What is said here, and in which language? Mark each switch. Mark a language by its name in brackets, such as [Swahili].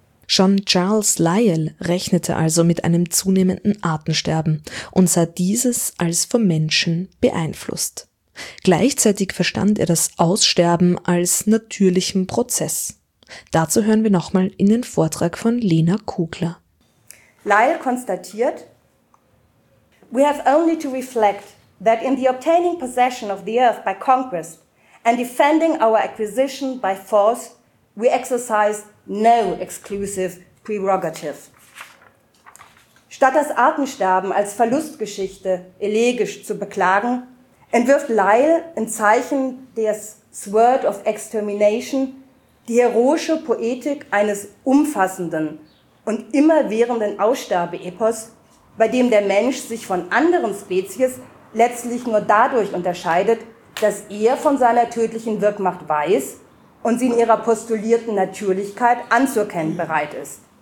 [German] Schon Charles Lyell rechnete also mit einem zunehmenden Artensterben und sah dieses als vom Menschen beeinflusst. Gleichzeitig verstand er das Aussterben als natürlichen Prozess. Dazu hören wir nochmal in den Vortrag von Lena Kugler. [English] Lyell konstatiert: "We have only to reflect that in the obtaining possession of the earth by conquest and defending our acquisition by force, we exercise no exclusive prerogative." [German] Statt das Artensterben als Verlustgeschichte elegisch zu beklagen, entwirft Lyell im Zeichen des Sword of Extermination die heroische Poetik eines umfassenden und immerwährenden Aussterbeepos, bei dem der Mensch sich von anderen Spezies letztlich nur dadurch unterscheidet, dass er von seiner tödlichen Wirkmacht weiß und sie in ihrer postulierten Natürlichkeit anzuerkennen bereit ist.